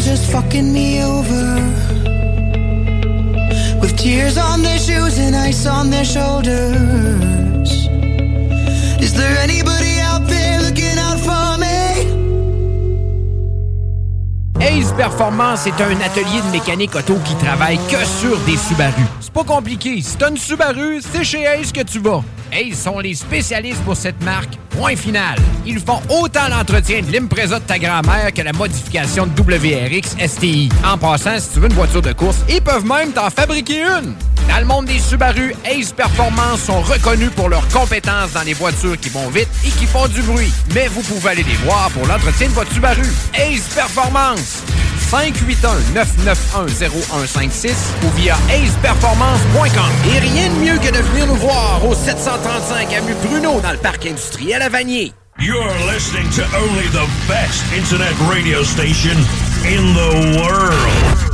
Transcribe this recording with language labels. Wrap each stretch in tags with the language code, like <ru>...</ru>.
<en>Fucking me over. With tears on their shoes and ice on their shoulders. Is there anybody out there looking out for me?</en> <fr>Ace Performance est un atelier de mécanique auto qui travaille que sur des Subaru. C'est pas compliqué. Si t'as une Subaru, c'est chez Ace que tu vas. Ace sont les spécialistes pour cette marque. Point final. Ils font autant l'entretien de l'Impreza de ta grand-mère que la modification de WRX STI. En passant, si tu veux une voiture de course, ils peuvent même t'en fabriquer une. Dans le monde des Subaru, Ace Performance sont reconnus pour leurs compétences dans les voitures qui vont vite et qui font du bruit. Mais vous pouvez aller les voir pour l'entretien de votre Subaru. Ace Performance. 581-991-0156 ou via aceperformance.com. Et rien de mieux que de venir nous voir au 735 avenue Bruno dans le parc industriel à Vanier.</fr> <en>You're listening to only the best internet radio station in the world.</en>